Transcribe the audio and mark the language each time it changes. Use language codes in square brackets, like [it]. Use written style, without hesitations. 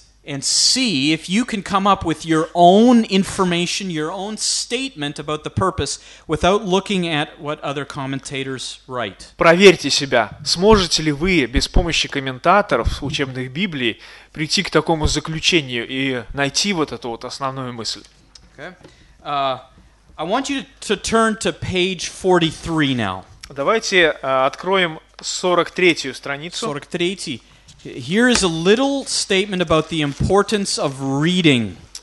[en] And see if you can come up with your own information, your own statement about the purpose without looking at what other commentators write. [ru] Проверьте себя. Сможете ли вы без помощи комментаторов учебных Библий прийти к такому заключению и найти вот эту вот основную мысль? [en] Okay. I want you to turn to page 43 now. [ru] Давайте откроем 43-ю страницу. 43-й. [en] Here is a little statement about the importance of reading.